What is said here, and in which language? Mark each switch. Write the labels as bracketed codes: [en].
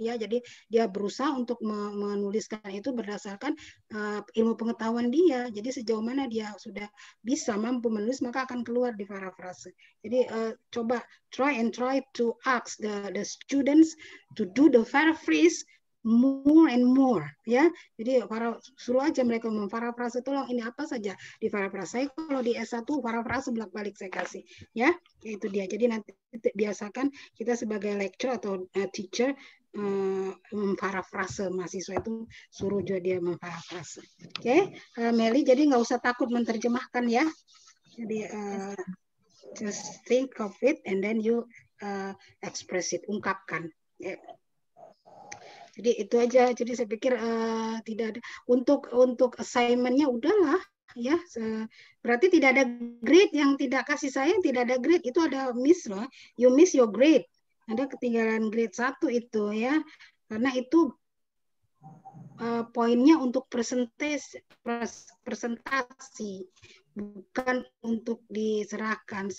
[id] Ya, jadi dia berusaha untuk menuliskan itu berdasarkan ilmu pengetahuan dia. Jadi sejauh mana dia sudah bisa mampu menulis, maka akan keluar di parafrase. Jadi coba try to ask the students to do the paraphrase more and more ya. Jadi suruh aja mereka memparafrase, tolong ini apa saja di parafrase. Kalau di S1 parafrase bolak-balik saya kasih ya. Itu dia. Jadi nanti biasakan kita sebagai lecturer atau teacher memparafrase mahasiswa itu, suruh juga dia memparafrase. Oke, okay? Meli, jadi nggak usah takut menerjemahkan ya. [en] Jadi just think of it and then you express it, ungkapkan. [id] Yeah. Jadi itu aja. Jadi saya pikir tidak ada untuk assignment-nya udahlah ya. Berarti tidak ada grade yang tidak kasih saya, tidak ada grade itu ada miss loh. You miss your grade. Ada ketinggalan grade 1 itu ya, karena itu poinnya untuk presentasi, bukan untuk diserahkan.